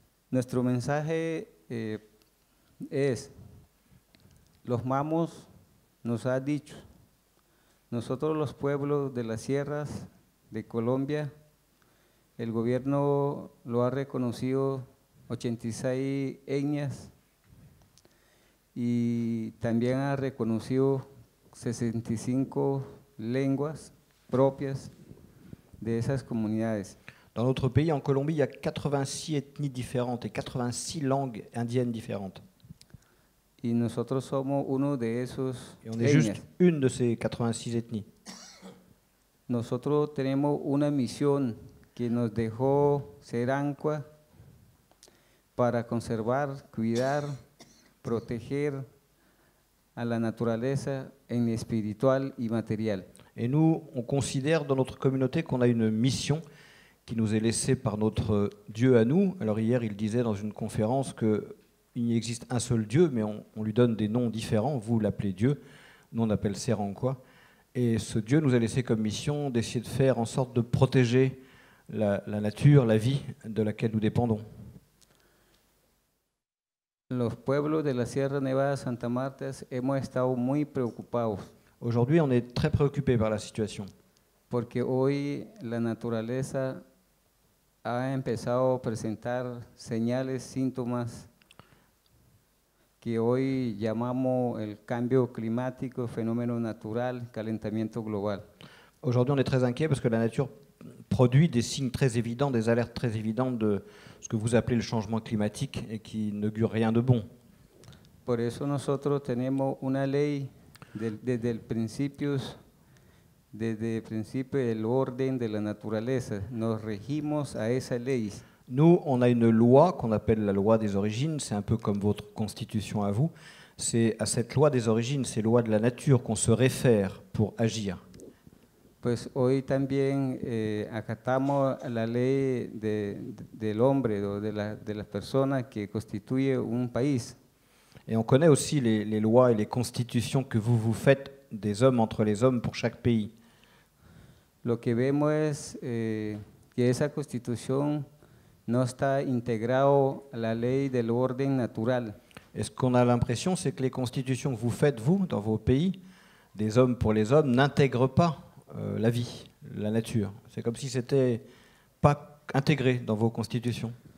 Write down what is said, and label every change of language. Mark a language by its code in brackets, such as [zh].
[es] Nuestro mensaje es los mamos nos ha dicho nosotros los pueblos de las sierras de Colombia el gobierno lo ha reconocido 86 etnias y también ha reconocido 65 lenguas propias de esas comunidades. [fr] Dans notre pays, en Colombie, il y a 86 ethnies différentes et 86 langues indiennes différentes. [es] Y nosotros somos uno de esos [fr] et on est [es] etnias. [fr] Juste une de ces 86 ethnies. [es] Nosotros tenemos una misión que nos dejó Serancua para conservar, cuidar, proteger à la naturaleza en espiritual y material. [fr] Et nous, on considère dans notre communauté qu'on a une mission qui nous est laissée par notre Dieu à nous. Alors hier, il disait dans une conférence qu'il existe un seul Dieu, mais on lui donne des noms différents. Vous l'appelez Dieu, nous on l'appelle Serancua. Et ce Dieu nous a laissé comme mission d'essayer de faire en sorte de protéger la nature, la vie de laquelle nous dépendons. [es] Los pueblos de la Sierra Nevada Santa Marta hemos estado muy preocupados. [fr] Aujourd'hui, on est très préoccupé par la situation. [es] Porque hoy la naturaleza ha empezado a presentar señales, síntomas que hoy llamamos el cambio climático, fenómeno natural, calentamiento global. [fr] Aujourd'hui, on est très inquiet parce que la nature produit des signes très évidents, des alertes très évidentes de ce que vous appelez le changement climatique et qui n'augure rien de bon. [es] Por eso nosotros tenemos una ley desde el principio, desde el principio del orden de la naturaleza. Nos regimos a esa ley. [fr] Nous, on a une loi qu'on appelle la loi des origines. C'est un peu comme votre constitution à vous. C'est à cette loi des origines, ces lois de la nature, qu'on se réfère pour agir. [es] Pues hoy también acatamos la ley del hombre o de la persona que constituye un país. [fr] Et on connaît aussi les lois et les constitutions que vous faites des hommes entre les hommes pour chaque pays. [es] Lo que vemos es que esa constitución no está integrado a la ley del orden natural. [fr] Et ce qu'on a l'impression, c'est que les constitutions que vous faites, vous, dans vos pays, des hommes pour les hommes, n'intègrent pas la vie, la nature. C'est comme si ce n'était pas intégré dans vos constitutions.